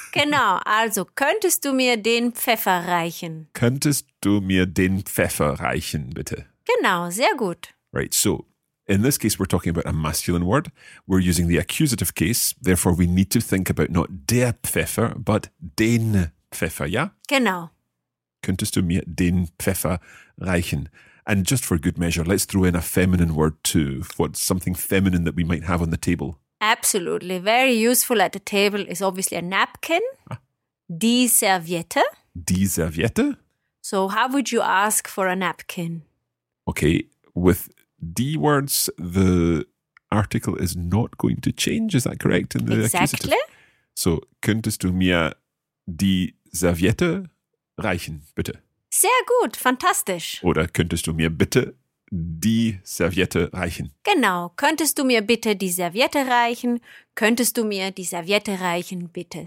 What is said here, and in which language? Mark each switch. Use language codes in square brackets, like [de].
[de] Genau, also könntest du mir den Pfeffer reichen? Könntest du mir den Pfeffer reichen, bitte? Genau, sehr gut. [en] Right, so in this case we're talking about a masculine word. We're using the accusative case. Therefore we need to think about not der Pfeffer, but [de] den Pfeffer, ja? Genau. Könntest du mir den Pfeffer reichen? [en] And just for good measure, let's throw in a feminine word too. What's something feminine that we might have on the table? Absolutely. Very useful at the table is obviously a napkin. [de] Die Serviette. Die Serviette. [en] So how would you ask for a napkin? Okay. With die words, the article is not going to change. Is that correct? In the accusative? So [de] könntest du mir die Serviette reichen, bitte? Sehr gut, fantastisch. Oder könntest du mir bitte die Serviette reichen? Genau, könntest du mir bitte die Serviette reichen? Könntest du mir die Serviette reichen, bitte?